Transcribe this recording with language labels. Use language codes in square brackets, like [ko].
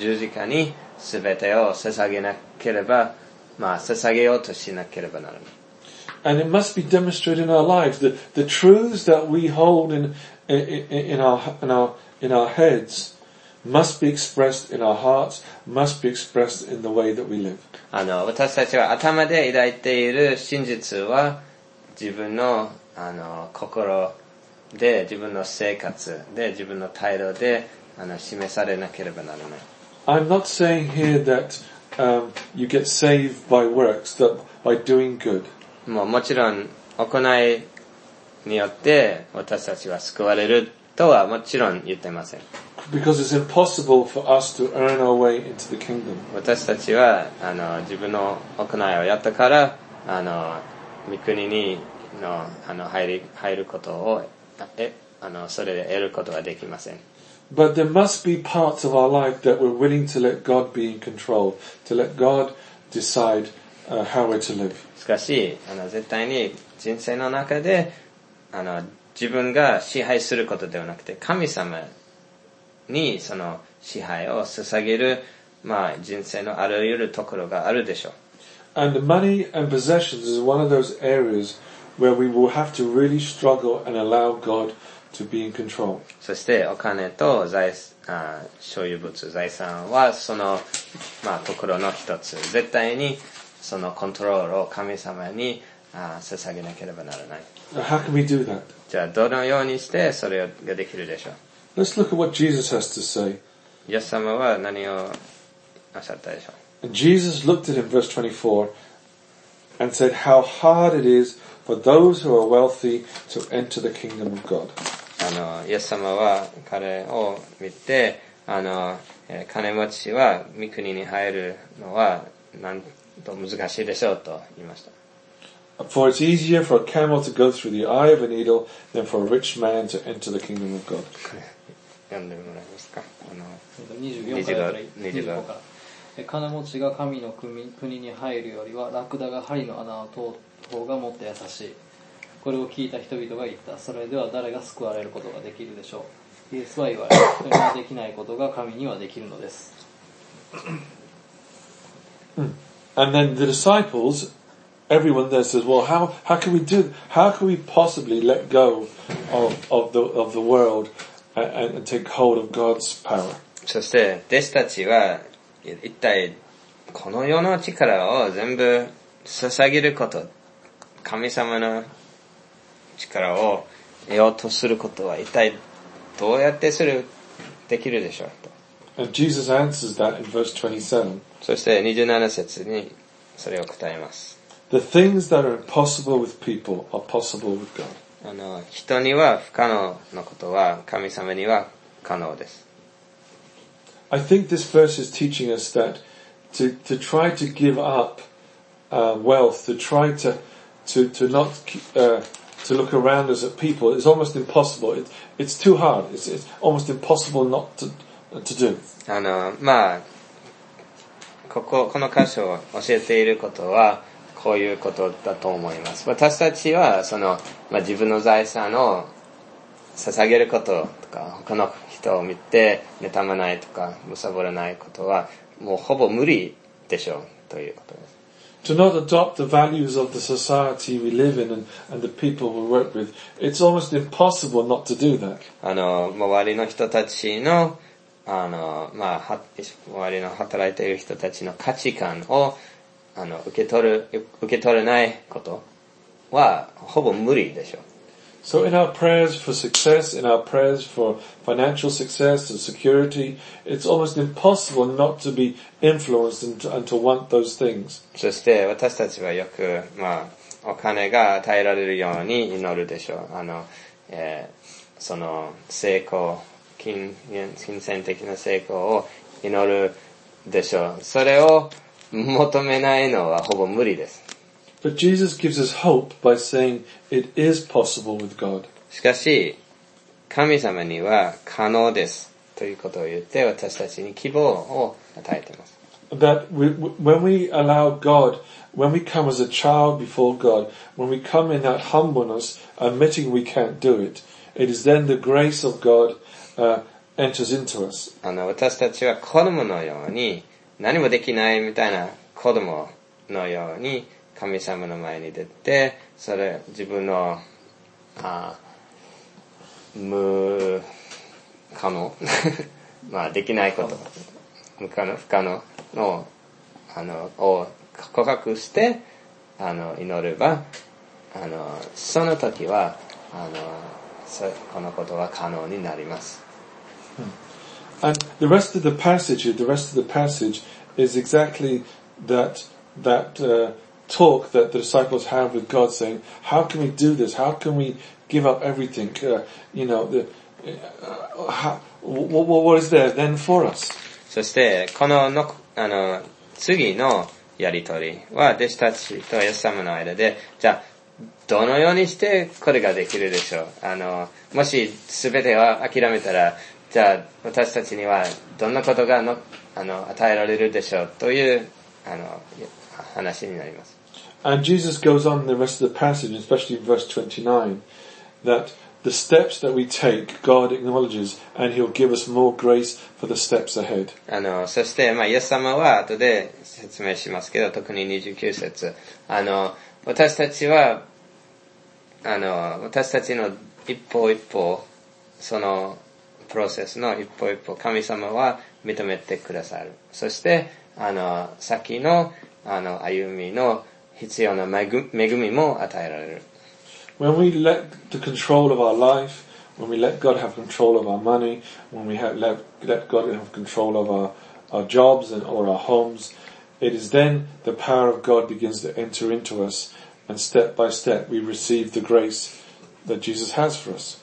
[ja] 十字架にすべてを捧げなければ、まあ捧げようとしなければならない。 [en] And it must be demonstrated in our lives. The truths that we hold in our heads must be expressed in our hearts, must be expressed in the way that we live. [ja] 私たちは頭で抱いている真実は自分の心で、自分の生活で、自分の態度で示されなければならない。 [en] I'm not saying here that you get saved by works, that by doing good. [ja] もちろん行いによって私たちは救われるとはもちろん言っていません。 [en] Because it's impossible for us to earn our way into the kingdom. [ja] 私たちは自分の行いをやったから御国にの入ることをそれで得ることはできません。 [en] But there must be parts of our life that we're willing to let God be in control, to let God decide. How we're to live. [ja] しかし、絶対に人生の中で自分が支配することではなくて、神様にその支配を捧げる、まあ、人生のあらゆるところがあるでしょう。 [en] And money and possessions is one of those areas where we will have to really struggle and allow God to be in control. [ja] そしてお金と財産所有物、財産はその、まあ、ところの一つ、絶対にそのコントロールを神様に捧げなければならない。 [en] How can we do that? [ja] じゃあどのようにしてそれができるでしょう。 [en] Let's look at what Jesus has to say. [ja] イエス様は何をおっしゃったでしょう。 [en] And Jesus looked at him, verse 24, and said, how hard it is for those who are wealthy to enter the kingdom of God. [ja] あの、イエス様は彼を見て、あの、金持ちは御国に入るのはなんと難しいでしょうと言いました。 [en] For it's easier for a camel to go through the eye of a needle than for a rich man to enter the kingdom of God. [ja] 読んでもらえますか？あの、 24から。金持ちが神の国に入るよりは、ラクダが針の穴を通った方がもっと優しい。これを聞いた人々が言った。それでは誰が救われることができるでしょう。イエスは言われ、人にはできないことが神にはできるのです。 [en] And then the disciples, everyone there says, well, how can we do, how can we possibly let go of the world and take hold of God's power? [ja] そして弟子たちは一体この世の力を全部捧げること、神様の力を得ようとすることは一体どうやってするできるでしょうと。 [en] And Jesus answers that in verse 27. [ja] そして27節にそれを答えます。 [en] The things that are impossible with people are possible with God. [ja] あの、人には不可能のことは神様には可能です。 [en] I think this verse is teaching us that to try to give up wealth, to try to not to look around us at people is almost impossible. It's too hard. It's almost impossible not to do. [ja] あの、まあ、この箇所を教えていることはこういうことだと思います。私たちはその、まあ、自分の財産を捧げることとか他の人を見て妬まないとか貪らないことはもうほぼ無理でしょうということです。 [en] To not adopt the values of the society we live in and the people we work with, it's almost impossible not to do that. [ja] あの、周りの人たちの、あの、まあ、周りの働いている人たちの価値観を、あの、受け取れないことは、ほぼ無理でしょう。 [en] So in our prayers for success, in our prayers for financial success and security, it's almost impossible not to be influenced and to want those things. [ja] そして私たちはよく、まあ、お金が与えられるように祈るでしょう。あの、その成功、金銭的な成功を祈るでしょう。それを求めないのはほぼ無理です。 [en] But Jesus gives us hope by saying it is possible with God. [ja] しかし、神様には可能ですということを言って私たちに希望を与えています。 [en] That when we allow God, when we come as a child before God, when we come in that humbleness, admitting we can't do it, it is then the grace of God, enters into us. [ja] あの、私たちは子供のように何もできないみたいな子供のように神様の前に出て、それ、自分の、無可能まあ、できないこと、無可能、不可能の、あの、を告白して、あの、祈れば、あの、その時は、あの、このことは可能になります。 [en] And the rest of the passage, the rest of the passage is exactly talk that the disciples have with God saying, how can we do this? How can we give up everything? What is there then for us? [ja] そして、この、あの、次のやりとりは、弟子たちとイエス様の間で、じゃあ、どのようにしてこれができるでしょう？あの、もし全てを諦めたら、じゃあ、私たちにはどんなことがの、あの、与えられるでしょうという、あの、話になります。 [en] And Jesus goes on in the rest of the passage, especially in verse 29, that the steps that we take, God acknowledges, and He'll give us more grace for the steps ahead. [ja] あの、そして、まあ、イエス様は後で説明しますけど、特に29節。あの、私たちは、あの、私たちの一歩一歩、そのプロセスの一歩一歩、神様は認めてくださる。そして、あの、先の、あの、歩みの、必要な恵みも与えられる。 [en] When we let the control of our life, when we let God have control of our money, when we let God have control of our jobs and or our homes, It is then the power of God begins to enter into us, and step by step we receive the grace that Jesus has for us.